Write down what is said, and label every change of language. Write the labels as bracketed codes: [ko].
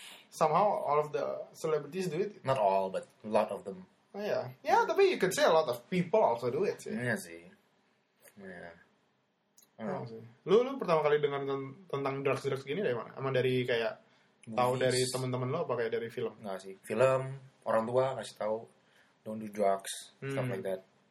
[en] Somehow all of the celebrities do it. Not all, but a lot of them. Oh yeah, yeah. Tapi you could say a lot of people also do it. [id] Iya sih. Yeah. Sih. Lu pertama kali dengar tentang drugs gini dari mana? Emang dari kayak movies. Tahu dari teman-teman lu apa kayak dari film? Enggak sih, film orang tua kasih tahu. [en] Don't do drugs, stuff like that.